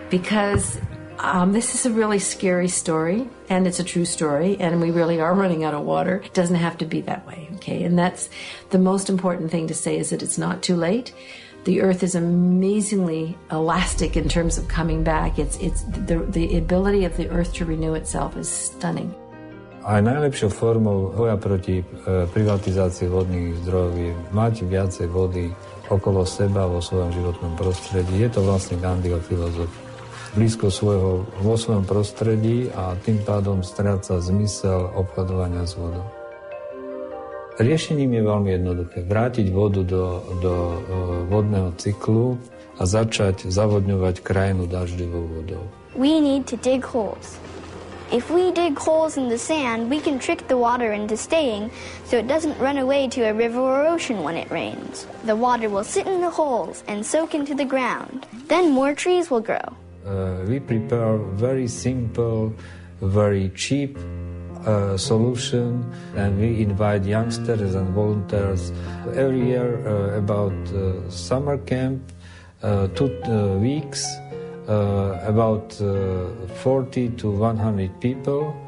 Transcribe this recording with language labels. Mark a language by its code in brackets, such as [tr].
[en] Because this is a really scary story, and it's a true story, and we really are running out of water. It doesn't have to be that way, okay? And that's the most important thing to say, is that it's not too late. The earth is amazingly elastic in terms of coming back. It's the ability of the earth to renew itself is stunning. [sk] A najlepšou formou boja proti privatizácii vodných zdrojov je mať viacej vody okolo seba vo svojom životnom prostredí. Je to vlastne Gandhiho filozof. Blízko svojho, vo svojom prostredí a tým pádom stráca zmysel obchodovania s vodou. Riešením je veľmi jednoduché. Vrátiť vodu do vodného cyklu a začať zavodňovať krajinu dažďovou vodou. [en] We need to dig holes. If we dig holes in the sand, we can trick the water into staying so it doesn't run away to a river or ocean when it rains. The water will sit in the holes and soak into the ground. Then more trees will grow. We prepare very simple, very cheap solution, and we invite youngsters and volunteers every year about summer camp, 2 weeks. About 40 to 100 people.